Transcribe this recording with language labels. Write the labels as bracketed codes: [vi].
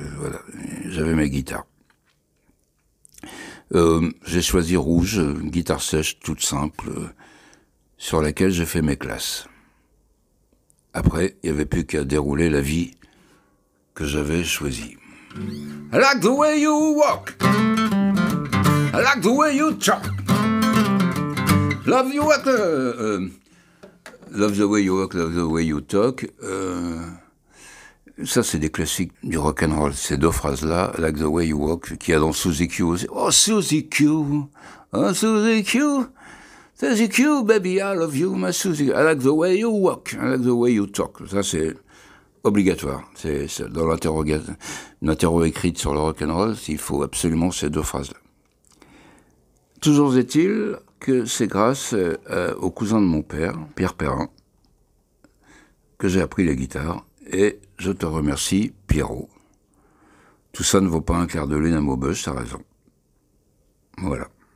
[fr] Voilà, j'avais ma guitare. J'ai choisi rouge, une guitare sèche toute simple, sur laquelle j'ai fait mes classes. Après, il n'y avait plus qu'à dérouler la vie que j'avais choisi. [en] I like the way you walk, I like the way you talk, love you walk, love the way you walk, love the way you talk. [fr] Ça, c'est des classiques du rock'n'roll, ces deux phrases-là, [en] I like the way you walk, [fr] qu'il y a dans Suzy Q aussi. [en] Oh, Suzy Q, oh, Suzy Q, Suzy Q, baby, I love you, my Suzy Q. I like the way you walk, I like the way you talk. [fr] Ça, c'est obligatoire. C'est dans l'interro écrite sur le rock'n'roll, il faut absolument ces deux phrases-là. Toujours est-il que c'est grâce au cousin de mon père, Pierre Perrin, que j'ai appris la guitare. Et je te remercie, Pierrot. Tout ça ne vaut pas un clair de lune à Maubeuge, t'as raison. Voilà.